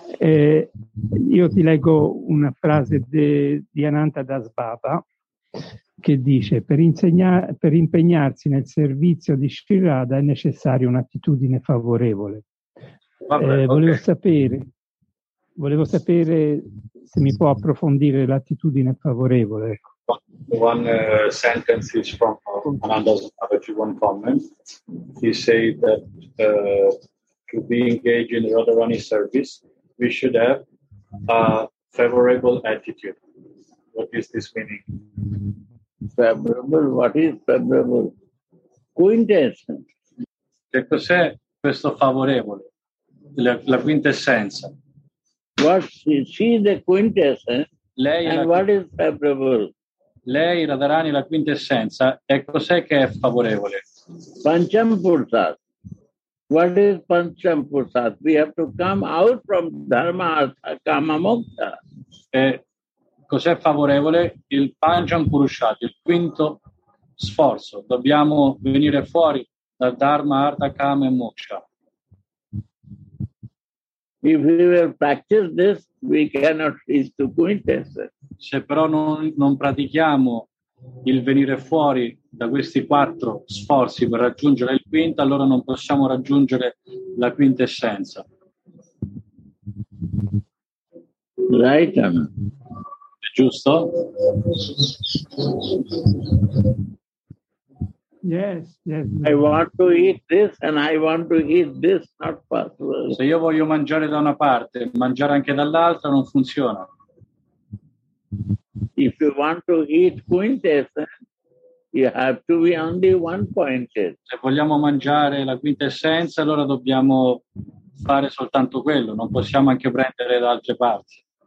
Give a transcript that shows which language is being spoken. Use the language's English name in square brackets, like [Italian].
[Italian] Io ti leggo una frase di Ananta Das Baba che dice: per impegnarsi nel servizio di Sri Radha è necessaria un'attitudine favorevole. Volevo sapere se mi può approfondire l'attitudine favorevole. [English] One sentence is from Ananda's Babaji, one comment. He say that to be engaged in Radharani service we should have a favorable attitude. What is this meaning? Favorable, what is favorable? Quintessence. [Italian] Che cos'è questo favorevole? La quintessenza. [English] What she is the quintessence. [Italian] Lei [English] and what is favorable? [Italian] Lei, Radharani, la quintessenza, e cos'è che è favorevole? [English] Pancham Pursat. What is Pancham Pursat? We have to come out from Dharma Artha Kama Mokta. [Italian] Cos'è favorevole? Il Pancham Purushat, il quinto sforzo. Dobbiamo venire fuori dal Dharma, Artha, Kama e Moksha. [English] If we will practice this, we cannot reach to quintessence. [Italian] Se però non pratichiamo il venire fuori da questi quattro sforzi per raggiungere il quinto, allora non possiamo raggiungere la quintessenza. [English] Right, [Italian] giusto? [English] Yes. I want to eat this and I want to eat this, not possible. [Italian] Se io voglio mangiare da una parte, mangiare anche dall'altra non funziona. [English] If you want to eat quintessence, you have to be only one pointed. [Italian] Se vogliamo mangiare la quinta essenza, allora dobbiamo fare soltanto quello, non possiamo anche prendere da altre parti.